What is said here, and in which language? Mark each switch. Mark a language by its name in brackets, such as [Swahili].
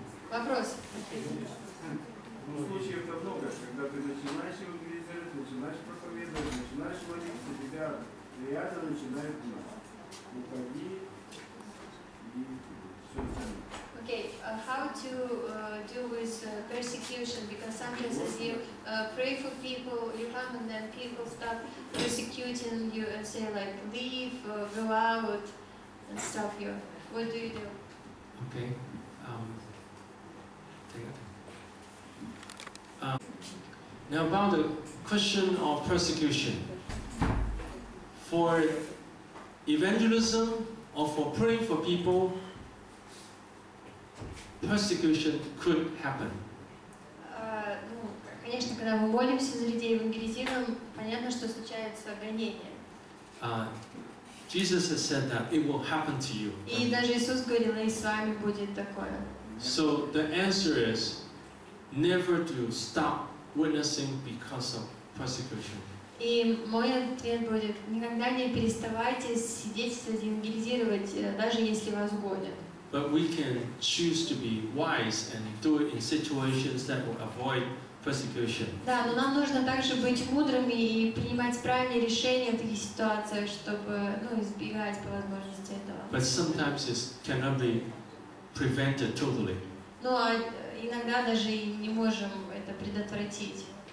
[Russian] Вопрос. Ну, случаев-то много. Когда ты начинаешь его грязать, начинаешь проповедовать, начинаешь молиться, тебя приятно начинает гнать. [English] Okay, how to do with persecution? Because sometimes as you pray for people, you come and then people start persecuting you and say like, leave, go out, and stop you. What do you do? Okay. Now about the question of persecution. For evangelism or for praying for people, persecution could happen. [Russian] Ну, конечно, когда мы молимся за людей, евангелизируем, понятно, что случаются гонения. [English] Jesus has said that it will happen to you. [Russian] И даже Иисус говорил, и с вами будет такое. [English] So the answer is never to stop witnessing because of persecution. [Russian] И мой ответ будет: никогда не переставайте свидетельствовать, евангелизировать, даже если вас гонят. [English] But we can choose to be wise and do it in situations that will avoid persecution. [Russian] Да, но нам нужно также быть мудрыми и принимать правильные решения в таких ситуациях, чтобы, ну, избегать по возможности этого. [English] But sometimes it cannot be prevented totally. [Russian] Ну, а иногда даже и не можем это предотвратить.